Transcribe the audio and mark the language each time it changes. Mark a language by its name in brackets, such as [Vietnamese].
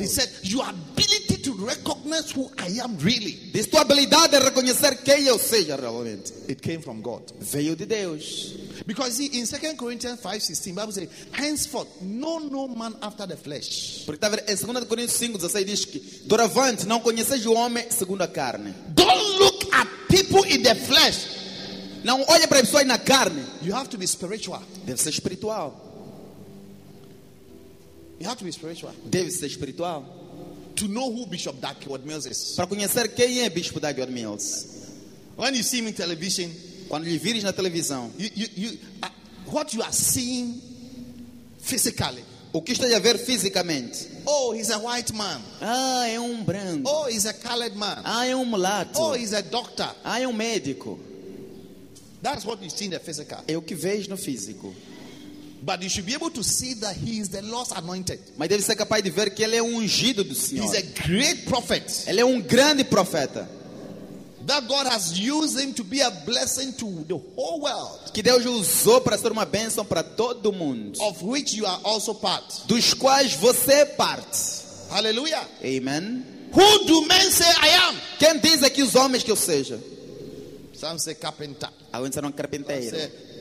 [English] He said, your ability to recognize who I am really, [Portuguese] this tua habilidade de reconhecer quem eu seja realmente, [English] it came from God. [Portuguese] Veio de Deus. [English] Because see, in 2 Corinthians 5:16, Bible says, henceforth, know no man after the flesh. [Portuguese] Porque está a ver, em 2 Coríntios 5:16 diz que, doravante, não conheces o homem segundo a carne. [English] Don't look at people in the flesh. [Portuguese] Não olha para pessoas na carne. [English] You have to be spiritual. [Portuguese] Deve ser espiritual. [English] You have to be spiritual. [Portuguese] Deve ser espiritual. [English] To know who Bishop Dag Odmills is. [Portuguese] Para conhecer quem é Bishop Dag Odmills. [English] When you see him in television, [Portuguese] quando lhe vires na televisão, [English] what you are seeing physically, [Portuguese] o que está a ver fisicamente? [English] Oh, he's a white man. [Portuguese] Ah, é branco. [English] Oh, he's a colored man. [Portuguese] Ah, é mulato. [English] Oh, he's a doctor. [Portuguese] Ah, é médico. [English] That's what you see in the physical. [Portuguese] É o que vês no físico. [English] But you should be able to see that he is the Lord's anointed. [Portuguese] Mas deve ser capaz de ver que ele é ungido do Senhor. [English] He's a great prophet. [Portuguese] Ele é grande profeta. [English] That God has used him to be a blessing to the whole world. [Portuguese] Que Deus usou para ser uma bênção para todo mundo. [English] Of which you are also part. [Portuguese] Dos quais você é parte. Hallelujah. Amen. [English] Who do men say I am? [Portuguese] Quem diz aqui os homens que eu seja? [English] Some say carpenter. [Portuguese] Alguns dizem carpinteiro.